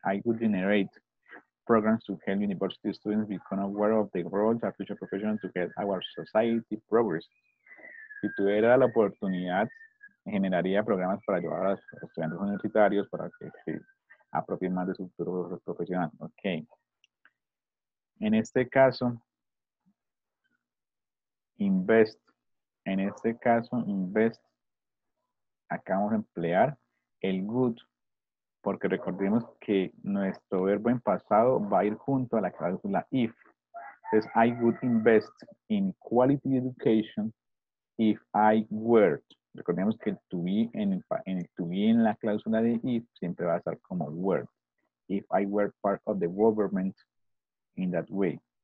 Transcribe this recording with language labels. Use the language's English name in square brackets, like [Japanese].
[English] I would generate programs to help university students become aware of the role of future professionals to help our society progress. [Spanish] Si tuviera la oportunidad, generaría programas para ayudar a los estudiantes universitarios para que se apropien más de su futuro profesional. Ok. En este caso, invest. En este caso, invest. Acá vamos a emplear el good. Porque recordemos que nuestro verbo en pasado va a ir junto a la cláusula if. [English] Entonces, I would invest in quality education. If I were, [Spanish] recordemos que el to be en la cláusula de if siempre va a estar como were. [English] If I were part of the government in that way.